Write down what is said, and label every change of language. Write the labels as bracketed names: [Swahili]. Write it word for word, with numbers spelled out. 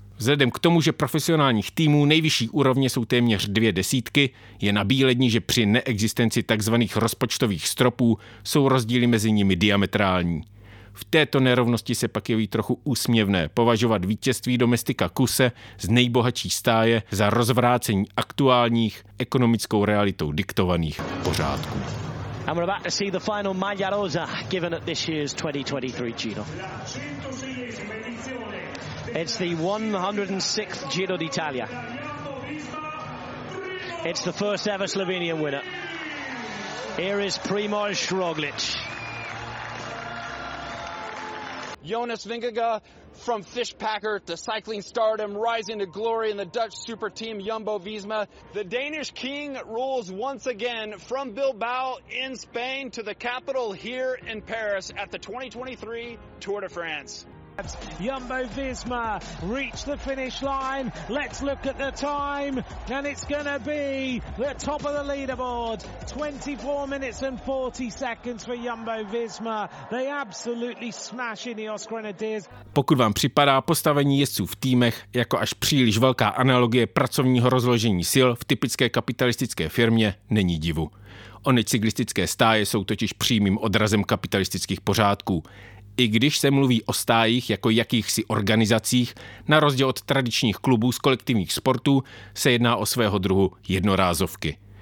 [Czech] Vzhledem k tomu, že profesionálních týmů nejvyšší úrovně jsou téměř dvě desítky, je nabílední, že při neexistenci tzv. Rozpočtových stropů jsou rozdíly mezi nimi diametrální. V této nerovnosti se pak jeví trochu úsměvné považovat vítězství domestika Kuse z nejbohatší stáje za rozvrácení aktuálních ekonomickou realitou diktovaných pořádků. [English] And we're about to see the final Maglia Rosa given at this year's twenty twenty-three Giro. It's the one hundred sixth Giro d'Italia. It's the first ever Slovenian winner. Here is Primož Roglič. Jonas Vingegaard, from Fish Packer to cycling stardom, rising to glory in the Dutch super team Jumbo Visma. The Danish king rules once again from Bilbao in Spain to the capital here in Paris at the twenty twenty-three Tour de France. Jumbo Visma reached the finish line. Let's look at the time, and it's going to be the top of the leaderboard. twenty-four minutes and forty seconds for Jumbo Visma. They absolutely smash Ineos Grenadiers. [Czech] Pokud vám připadá postavení jezdců v týmech jako až příliš velká analogie pracovního rozložení sil v typické kapitalistické firmě, není divu. Ony cyklistické stáje jsou totiž přímým odrazem kapitalistických pořádků. I když se mluví o stájích jako jakýchsi organizacích, na rozdíl od tradičních klubů z kolektivních sportů se jedná o svého druhu jednorázovky.